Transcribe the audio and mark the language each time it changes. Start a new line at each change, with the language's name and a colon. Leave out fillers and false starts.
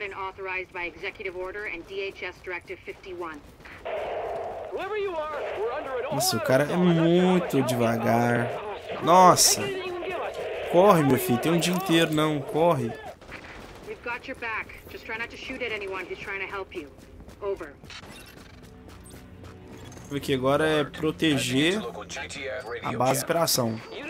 English: Authorized by executive order and DHS directive 51. Whoever you are, we're under an order.
Portuguese: Nossa, o cara é muito devagar. Nossa. Corre, meu filho, tem um dia inteiro não, corre.
English: You've got your back. Just try not to shoot at anyone who's trying to help you. Over.
Portuguese: O que agora é proteger a base de operação.